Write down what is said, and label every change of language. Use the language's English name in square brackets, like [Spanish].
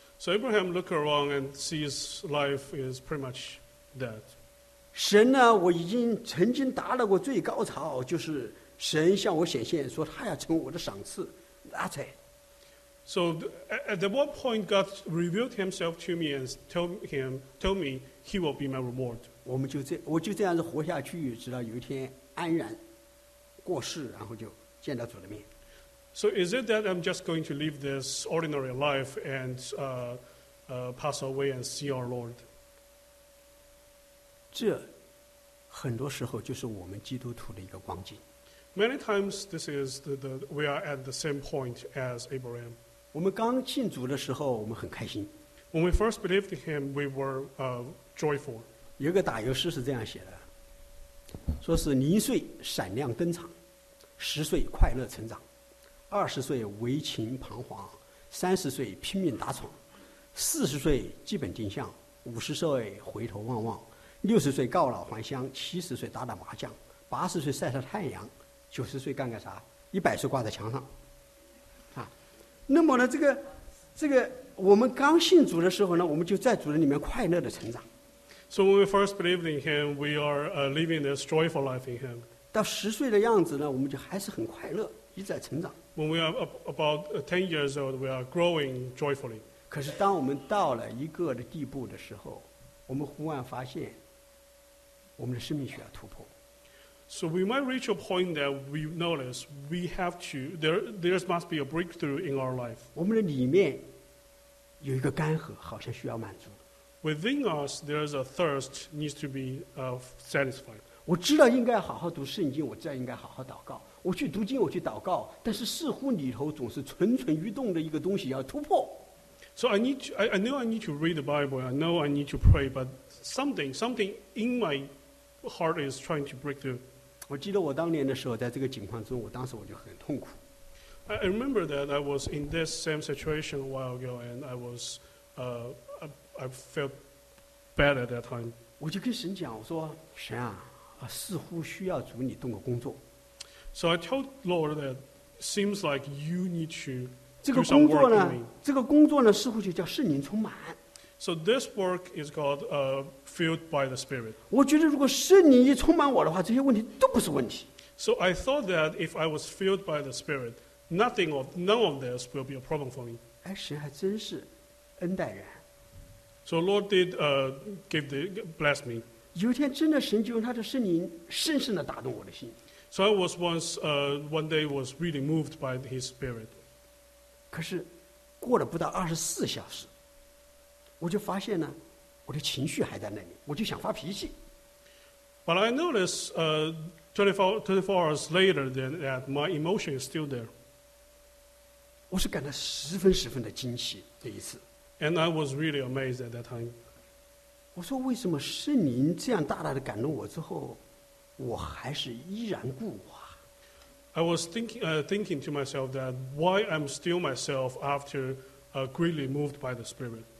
[English] So Abraham looked around and sees life is pretty much that. [Chinese] 神呢，我已经曾经达到过最高潮，就是神向我显现说他要成为我的赏赐。 [English] That's it. So at what point God revealed Himself to me and told me He will be my reward. [Chinese] 我就这样子活下去，直到有一天安然过世，然后就见到主的面。 [English] So is it that I'm just going to live this ordinary life and pass away and see our Lord? [Chinese] 这很多时候就是我们基督徒的一个光景。 [English] Many times this is the we are at the same point as Abraham. [Chinese] 我们刚信主的时候我们很开心。 [English] When we first believed in him, we were joyful. [Chinese] 有个打油诗是这样写的，说是零岁闪亮登场，十岁快乐成长。二十岁为情彷徨，三十岁拼命打闯，四十岁基本定向，五十岁回头望望，六十岁告老还乡，七十岁打打麻将，八十岁晒晒太阳，九十岁干个啥，一百岁挂在墙上。啊，那么呢，这个我们刚信主的时候呢，我们就在主的里面快乐的成长。 [English] So when we first believed in him, we are living this joyful life in him. [Chinese] 到十岁的样子呢，我们就还是很快乐，一再成长。 [English] When we are about 10 years old, we are growing joyfully. [Chinese] 可是当我们到了一个的地步的时候，我们忽然发现我们的生命需要突破。 [English] So we might reach a point that we notice we have to, there must be a breakthrough in our life. [Chinese] 我们的里面有一个干涸，好像需要满足。 [English] Within us, there is a thirst needs to be satisfied. [Chinese] 我知道应该好好读圣经，我知道应该好好祷告。我去读经，我去祷告，但是似乎里头总是蠢蠢欲动的一个东西要突破。 [English] So I know I need to read the Bible. I know I need to pray, but something in my heart is trying to break through. [Chinese] 我记得我当年的时候，在这个情况中，我当时我就很痛苦。 [English] I remember that I was in this same situation a while ago, and I was I felt bad at that time. [Chinese] 我就跟神讲，我说神啊，似乎需要主你动个工作。 [English] So I told Lord that seems like you need to do some work in me. [Chinese] 这个工作呢，似乎就叫圣灵充满。 [English] So this work is called filled by the Spirit. [Chinese] 我觉得如果圣灵一充满我的话，这些问题都不是问题。 [English] So I thought that if I was filled by the Spirit, none of this will be a problem for me. [Chinese] 哎，神还真是恩待人。 [English] So Lord did bless me. [Chinese] 有一天，真的神就用他的圣灵深深地打动我的心。 [English] So I was once, one day was really moved by his spirit. [Chinese] 可是过了不到二十四小时，我就发现呢，我的情绪还在那里，我就想发脾气。 [English] But I noticed, 24 hours later that my emotion is still there. [Chinese] 我是感到十分十分的惊奇这一次。 [English] And I was really amazed at that time. [Chinese] 我说为什么圣灵这样大大的感动我之后，我还是依然固化。 [English] I was thinking to myself that why I'm still myself after greatly moved by the Spirit.